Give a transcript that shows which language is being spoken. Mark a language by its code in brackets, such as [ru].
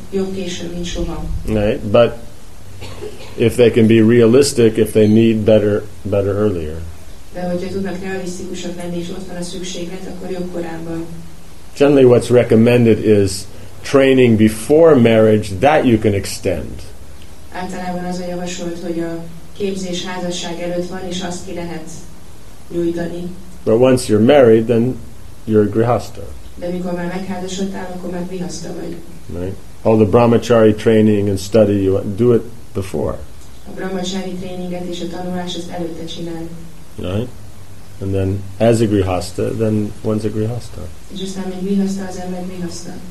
[en] Right? But if they can be realistic, if they need better earlier. Generally what's recommended is training before marriage, that you can extend. [hu] Általában az a javasolt, hogy a képzés házasság előtt van, és azt ki lehet nyújtani. [en] But once you're married, then you're a grihasta. [hu] De mikor már megházasodtál, akkor már grihasta vagy. [en] Right? All the brahmachari training and study, you do it before. [hu] A brahmachari tréninget és a tanulás az előtte csinál. [en] Right? And then, as a grihasta, then one's a grihasta. [hu] És aztán még grihasta, az ember grihasta.